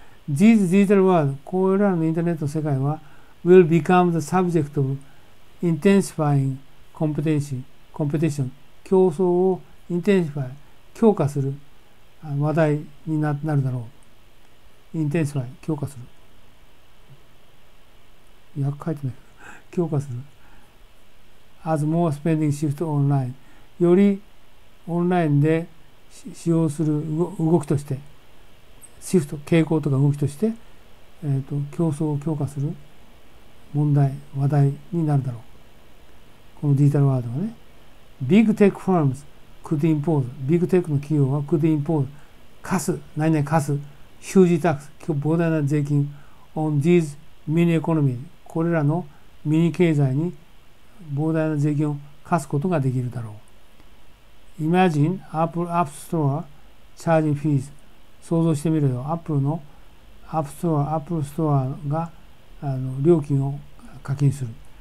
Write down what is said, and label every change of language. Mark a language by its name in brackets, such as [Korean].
[English] These digital world, [Japanese] これらのインターネットの世界は、 [English] will become the subject of intensifying competition. [Japanese] 競争を [English] intensify, [Japanese] 強化する話題になるだろう。 [English] intensify, [Japanese] 強化する。訳書いてない。強化する。 [English] As more spending shift online. [Japanese] よりオンラインで使用する動きとして、シフト、傾向とか動きとして、競争を強化する問題、話題になるだろう。このデジタルワードはね。 [English] Big tech firms could impose. Big tech [Japanese] の企業は [English] could impose. [Japanese] 課す、何々課す、 [English] huge tax. [Japanese] 膨大な税金 [English] on these mini economies. [Japanese] これらのミニ経済に膨大な税金を課すことができるだろう。 [English] Imagine Apple App Store charging fees. [Japanese] 想像してみるよ。 Apple の App Store、Apple Store が料金を課金する。